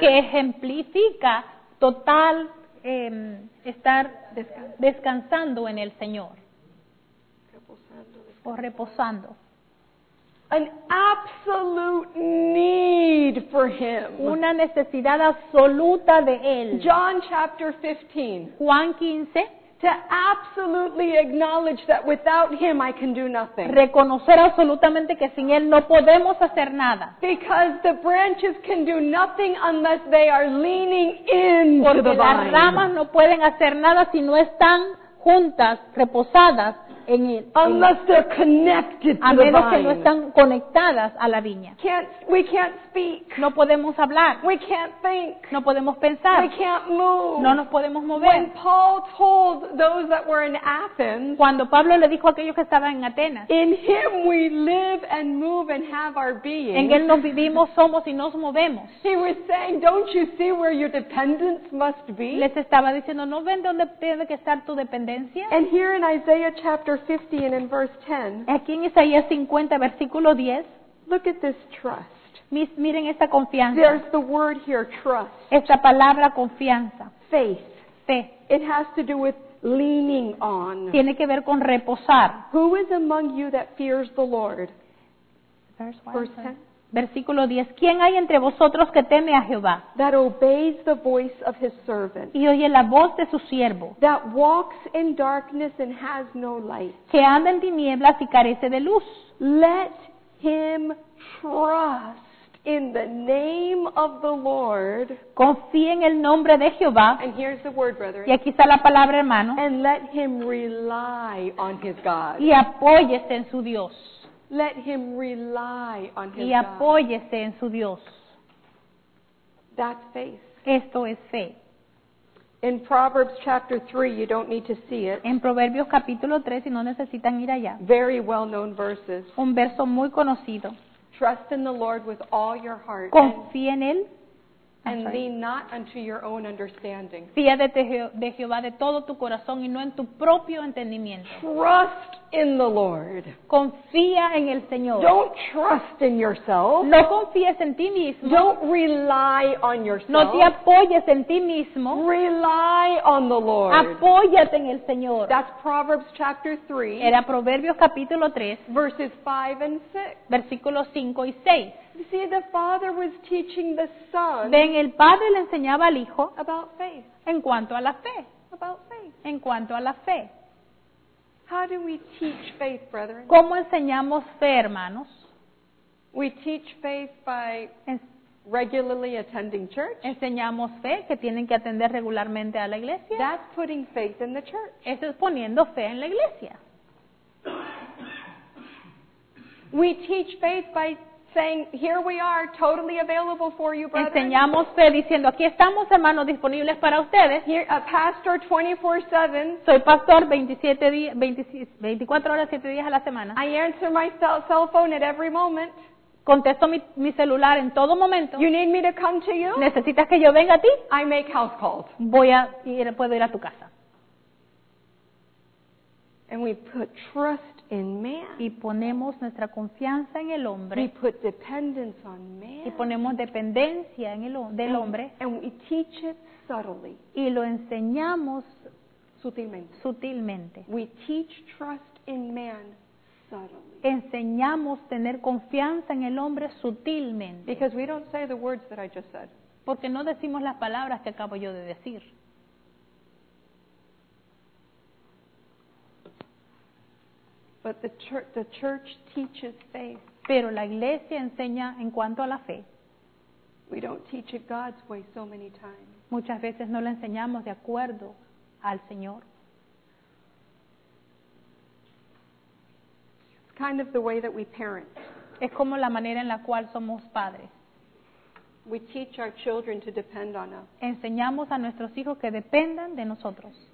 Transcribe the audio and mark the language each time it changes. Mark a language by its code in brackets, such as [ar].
[es] Que ejemplifica total estar descansando en el Señor. Reposando. O reposando. [en] An absolute need for him. [es] Una necesidad absoluta de él. [en] John chapter 15. [es] Juan 15. [en] To absolutely acknowledge that without him I can do nothing. [es] Reconocer absolutamente que sin él no podemos hacer nada. [en] Because the branches can do nothing unless they are leaning into the vine. [es] Porque las ramas no pueden hacer nada si no están juntas, reposadas. [en] Unless they're connected to the vine. [es] A menos que no están conectadas a la viña. [en] We can't speak. [es] No podemos hablar. [en] We can't think. [es] No podemos pensar. [en] We can't move. [es] No nos podemos mover. [en] When Paul told those that were in Athens, [es] cuando Pablo le dijo a aquellos que estaban en Atenas, [en] in him we live and move and have our being. [es] En él nos vivimos, somos y nos movemos. [en] He was saying, don't you see where your dependence must be? [es] Les estaba diciendo, ¿no ven dónde tiene que estar tu dependencia? [en] And here in Isaiah chapter 50 and in verse 10. [es] Aquí en Isaías 50, versículo 10. [en] Look at this trust. [es] Miren esta confianza. [en] There's the word here, trust. [es] Esta palabra confianza. [en] Faith. [es] Fe. [en] It has to do with leaning on. [es] Tiene que ver con reposar. [en] Who is among you that fears the Lord? Verse 10. [es] Versículo 10. ¿Quién hay entre vosotros que teme a Jehová? [en] That obeys the voice of his servant. [es] Y oye la voz de su siervo. [en] That walks in darkness and has no light. [es] Que anda en tinieblas y carece de luz. [en] Let him trust in the name of the Lord. [es] Confíe en el nombre de Jehová. [en] And here's the word, brethren. [es] Y aquí está la palabra, hermano. [en] And let him rely on his God. [es] Y apóyese en su Dios. [en] Let him rely on his God. [es] Y apóyese en su Dios. [en] That's faith. [es] Esto es fe. [en] In Proverbs chapter 3, you don't need to see it. [es] En Proverbios capítulo 3, si no necesitan ir allá. [en] Very well-known verses. [es] Un verso muy conocido. [en] Trust in the Lord with all your heart. [es] Confía en él. [en] And lean not unto your own understanding. [es] Fíate de Jehová de todo tu corazón y no en tu propio entendimiento. [en] Trust in the Lord. [es] Confía en el Señor. [en] Don't trust in yourself. [es] No confíes en ti mismo. [en] Don't rely on yourself. [es] No te apoyes en ti mismo. [en] Rely on the Lord. [es] Apóyate en el Señor. [en] That's Proverbs chapter 3. [es] Era Proverbios capítulo 3. [en] Verses 5 and 6. [es] Versículos 5 y 6. [en] You see, the father was teaching the son. [es] Ven, el padre le enseñaba al hijo. [en] About faith. [es] En cuanto a la fe. [en] About faith. [es] En cuanto a la fe. [en] How do we teach faith, brethren? [es] ¿Cómo enseñamos fe, hermanos? [en] We teach faith by regularly attending church. [es] Enseñamos fe, que tienen que atender regularmente a la iglesia. [en] That's putting faith in the church. [es] Eso es poniendo fe en la iglesia. [en] We teach faith by saying, here we are, totally available for you, brother. [es] Enseñamos fe diciendo, aquí estamos, hermanos, disponibles para ustedes. [en] Here, a pastor 24/7. [es] Soy pastor 24 horas, 7 días a la semana. [en] I answer my cell phone at every moment. [es] Contesto mi celular en todo momento. [en] You need me to come to you? [es] ¿Necesitas que yo venga a ti? [en] I make house calls. [es] Puedo ir a tu casa. [en] And we put trust in man. [es] Y ponemos nuestra confianza en el hombre. [en] We put dependence on man. [es] Y ponemos dependencia en del hombre. [en] And we teach it subtly. [es] Y lo enseñamos Sutilmente. [en] We teach trust in man subtly. [es] Enseñamos tener confianza en el hombre sutilmente. [en] Because we don't say the words that I just said. [es] Porque no decimos las palabras que acabo yo de decir. [en] But the church teaches faith. [es] Pero la iglesia enseña en cuanto a la fe. [en] We don't teach it God's way so many times. [es] Muchas veces no la enseñamos de acuerdo al Señor. [en] It's kind of the way that we parent. [es] Es como la manera en la cual somos padres. [en] We teach our children to depend on us. [es] Enseñamos a nuestros hijos que dependan de nosotros.